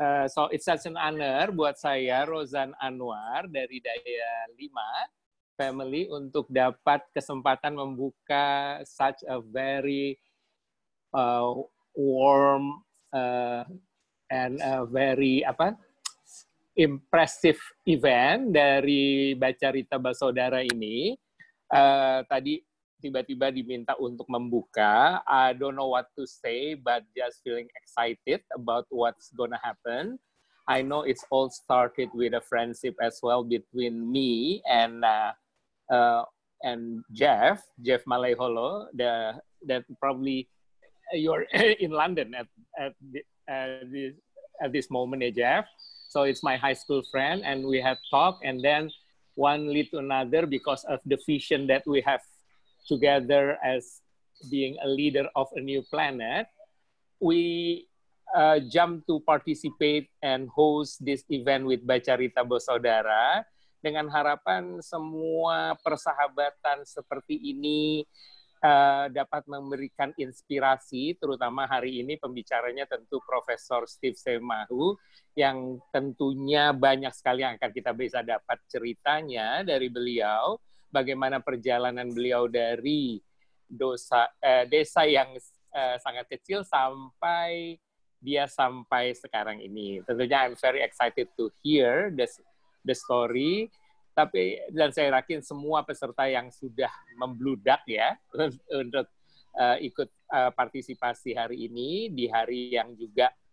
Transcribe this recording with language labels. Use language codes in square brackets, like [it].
[en] So it's such an honor [id] buat saya [en] Rozan Anwar dari Daya 5 Family [id] untuk dapat kesempatan membuka [en] such a very warm and a very impressive event dari Baca Rita Basodara ini. [id] Tadi tiba-tiba diminta untuk membuka. [en] I don't know what to say, but just feeling excited about what's gonna happen. I know it's all started with a friendship as well between me and Jeff Malaiholo, that probably you're in London at this moment, Jeff. So it's my high school friend, and we have talked, and then one lead to another because of the vision that we have together as being a leader of a new planet. We jumped to participate and host this event with Baca Rita Basodara [id] dengan harapan semua persahabatan seperti ini dapat memberikan inspirasi, terutama hari ini pembicaranya tentu Profesor Steve Siamahu yang tentunya banyak sekali yang akan kita bisa dapat ceritanya dari beliau, bagaimana perjalanan beliau dari desa yang sangat kecil sampai dia sampai sekarang ini. Tentunya [en] I'm very excited to hear the story. [id] Tapi, dan saya yakin semua peserta yang sudah membludak ya untuk ikut partisipasi hari ini di hari yang juga